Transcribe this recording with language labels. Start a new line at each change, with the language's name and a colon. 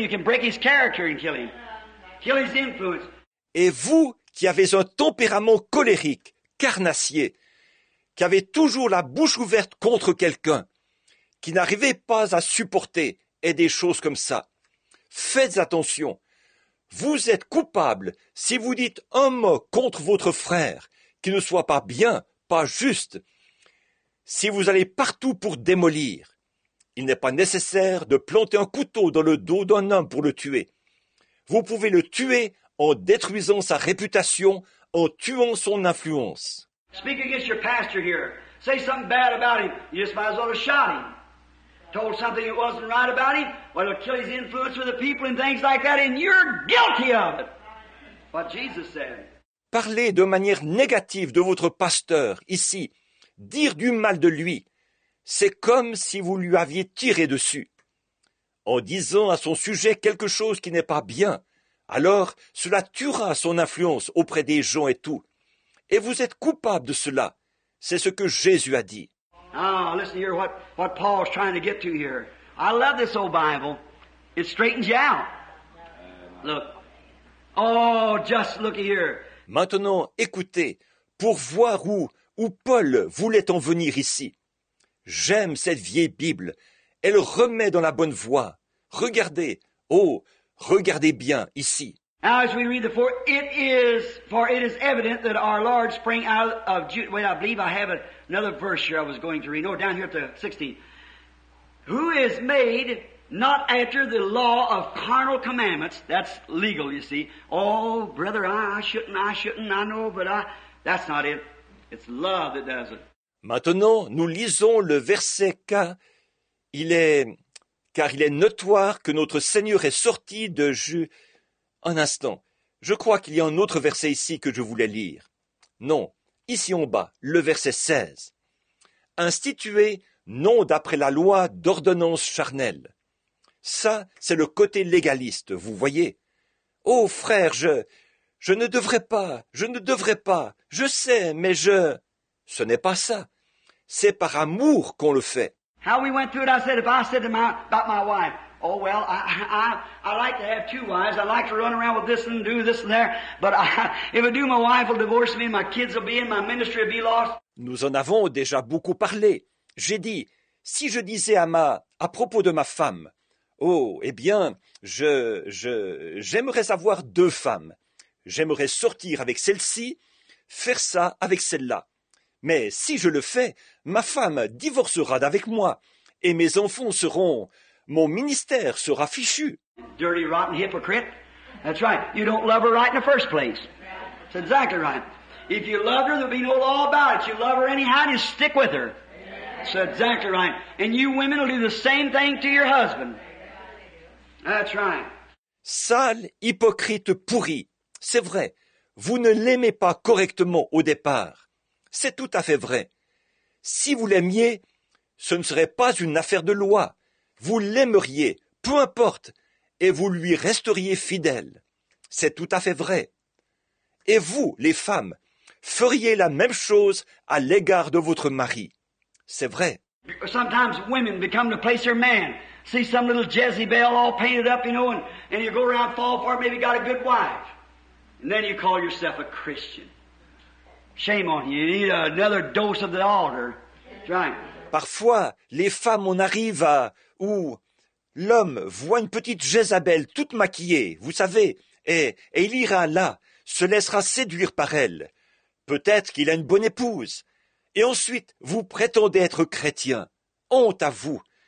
English: You can break his character and kill him. Kill his influence.
French: Et vous, qui avez un tempérament colérique, carnassier, qui avez toujours la bouche ouverte contre quelqu'un, qui n'arrivez pas à supporter, et des choses comme ça. Faites attention. Vous êtes coupable si vous dites un mot contre votre frère qui ne soit pas bien, pas juste. Si vous allez partout pour démolir, il n'est pas nécessaire de planter un couteau dans le dos d'un homme pour le tuer. Vous pouvez le tuer en détruisant sa réputation, en tuant son influence.
English: Speak against your pastor here. Say something bad about him. You just might as well have shot him. Told something that wasn't right about him, well, it'll kill his influence with the people and things like that, and you're guilty of it. What Jesus said.
French: Parler de manière négative de votre pasteur ici, dire du mal de lui, c'est comme si vous lui aviez tiré dessus. En disant à son sujet quelque chose qui n'est pas bien, alors cela tuera son influence auprès des gens et tout. Et vous êtes coupable de cela. C'est ce que Jésus a dit.
English: Ah, listen here, what Paul's trying to get to here. I love this old Bible. It straightens you out. Look. Oh, just look here.
French: Maintenant, écoutez, pour voir où Paul voulait en venir ici. J'aime cette vieille Bible. Elle remet dans la bonne voie. Regardez, oh, regardez bien ici.
English: Now, as we read the four, it is evident that our Lord sprang out of Judah. Wait, I believe I have another verse here I was going to read. Oh, down here at the 16th. Who is made not after the law of carnal commandments? That's legal, you see. Oh, brother, I shouldn't, I know, but that's not it. It's love that does it.
French: Maintenant, nous lisons le verset 4. Il est, car il est notoire que notre Seigneur est sorti de Juif. Un instant, je crois qu'il y a un autre verset ici que je voulais lire. Non, ici en bas, le verset 16. Institué non d'après la loi d'ordonnance charnelle. Ça, c'est le côté légaliste, vous voyez. Oh frère, je ne devrais pas, je sais, mais je... Ce n'est pas ça. C'est par amour qu'on le fait.
English: How we went through it, I said, if I said about my wife, oh well, I like to have two wives, I like to run around with this and do this and there, but if I do, my wife will divorce me, my kids will be in, my ministry will be lost.
French: Nous en avons déjà beaucoup parlé. J'ai dit, si je disais à propos de ma femme, oh, eh bien, j'aimerais avoir deux femmes. J'aimerais sortir avec celle-ci, faire ça avec celle-là. Mais si je le fais, ma femme divorcera d'avec moi et mes enfants seront... Mon ministère sera fichu.
English: Dirty, rotten hypocrite. That's right. You don't love her right in the first place. That's exactly right. If you love her, there'll be no law about it. You love her anyhow, just stick with her. That's exactly right. And you women will do the same thing to your husband. That's right.
French: Sale, hypocrite, pourri. C'est vrai. Vous ne l'aimez pas correctement au départ. C'est tout à fait vrai. Si vous l'aimiez, ce ne serait pas une affaire de loi. Vous l'aimeriez, peu importe, et vous lui resteriez fidèle. C'est tout à fait vrai. Et vous, les femmes, feriez la même chose à l'égard de votre mari. C'est vrai.
English: Sometimes women become to place their man. See some little Jezebel all painted up, you know, and you go around fall for it, maybe got a good wife. And then you call yourself a Christian. Shame on you. You need another dose of the altar. Right.
French: Parfois, les femmes en arrivent à... où l'homme voit une petite Jézabel toute maquillée, vous savez, et il ira là, se laissera séduire par elle. Peut-être qu'il a une bonne épouse. Et ensuite, vous prétendez être chrétien. Honte à vous.